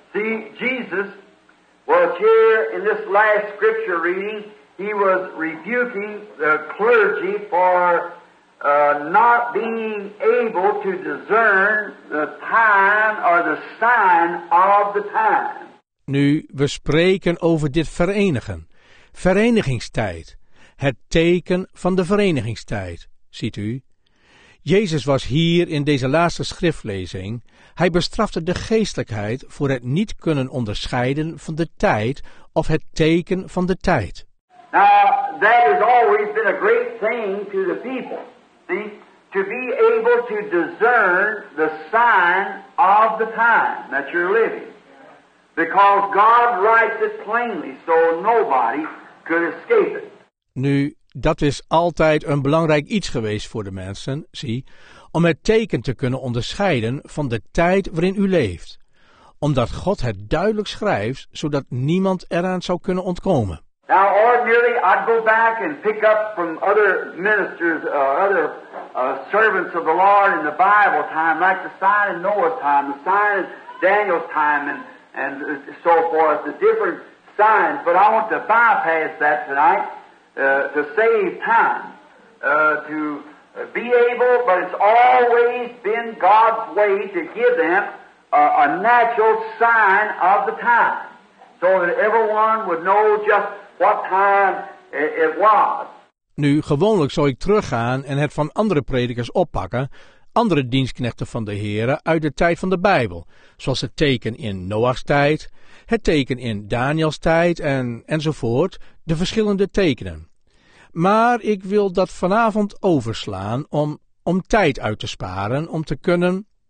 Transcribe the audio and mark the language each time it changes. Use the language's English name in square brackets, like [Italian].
[English] See, Jesus was here in this last scripture reading, he was rebuking the clergy for not being able to discern the time or the sign of the time. [Dutch] Nu, we spreken over dit verenigen. Verenigingstijd. Het teken van de verenigingstijd. Ziet u? Jezus was hier in deze laatste schriftlezing. Hij bestrafte de geestelijkheid voor het niet kunnen onderscheiden van de tijd of het teken van de tijd. [English] Now, that has always been a great thing to the people. See? To be able to discern the sign of the time that you're living. Because God writes it plainly, so nobody could escape it. [Dutch] Nu, dat is altijd een belangrijk iets geweest voor de mensen, zie, om het teken te kunnen onderscheiden van de tijd waarin u leeft. Omdat God het duidelijk schrijft, zodat niemand eraan zou kunnen ontkomen. [English] Now, ordinarily, I'd go back and pick up from other ministers, servants of the Lord in the Bible time, like the sign of Noah's time, the sign of Daniel's time, and so forth, the different signs, but I want to bypass that tonight to save time, to be able, but it's always been God's way to give them a natural sign of the time, so that everyone would know just what time it was. [Dutch] Nu, gewoonlijk zou ik teruggaan en het van andere predikers oppakken, andere dienstknechten van de Heere uit de tijd van de Bijbel, zoals het teken in Noach's tijd, het teken in Daniel's tijd enzovoort, de verschillende tekenen. Maar ik wil dat vanavond overslaan om tijd uit te sparen, om te kunnen.